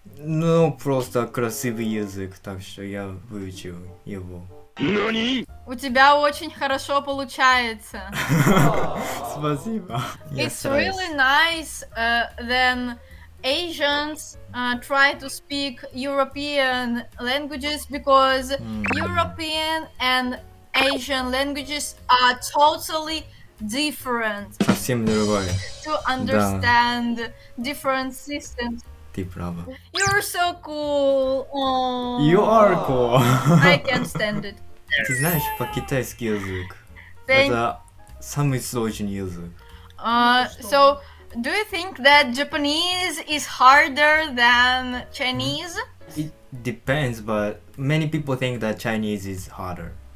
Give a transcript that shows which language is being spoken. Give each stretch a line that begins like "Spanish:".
Russian: Ну, просто красивый язык, так что я выучил его.
Japanese: НАНИ?
Russian: У тебя очень хорошо получается. Спасибо.
English: It's really nice when Asians try to speak European languages because European and Asian languages are totally different.
Russian: Совсем другое.
English: To understand different systems. You're so cool. Aww. You are cool. I can't stand it.
Russian: Ты знаешь по-китайски язык? Это самый сложный язык.
English: So, do you think that Japanese is harder than Chinese? It depends, but many people think that Chinese is harder.